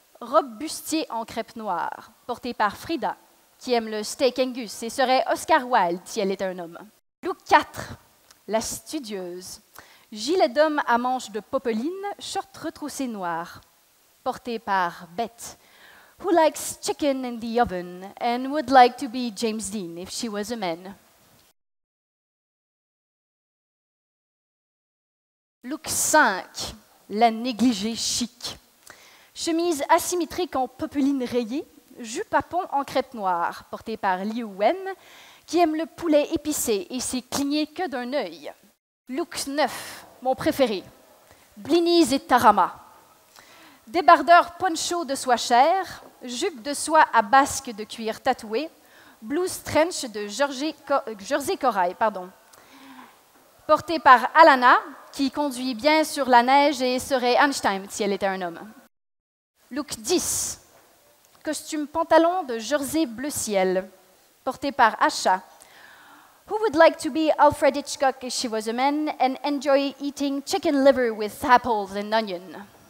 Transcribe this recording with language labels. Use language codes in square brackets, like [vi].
[fr] Robe bustier en crêpe noire, portée par Frida, qui aime le steak Angus et serait Oscar Wilde si elle était un homme. Look 4. La studieuse. Gilet d'homme à manches de popeline, short retroussé noir, portée par Beth. [en] Who likes chicken in the oven and would like to be James Dean if she was a man? [fr] Look 5, la négligée chic. Chemise asymétrique en popeline rayée, jupe à pont en crêpe noire, portée par Liu Wen, qui aime le poulet épicé et s'est cligné que d'un œil. Look 9, mon préféré. Blinis et Tarama. Débardeur poncho de soie chair, jupe de soie à basque de cuir tatoué, blouse trench de jersey corail, portée par Alana, qui conduit bien sur la neige et serait Einstein si elle était un homme. Look 10, costume pantalon de jersey bleu ciel, porté par Asha. [en] Who would like to be Alfred Hitchcock if she was a man and enjoy eating chicken liver with apples and onion?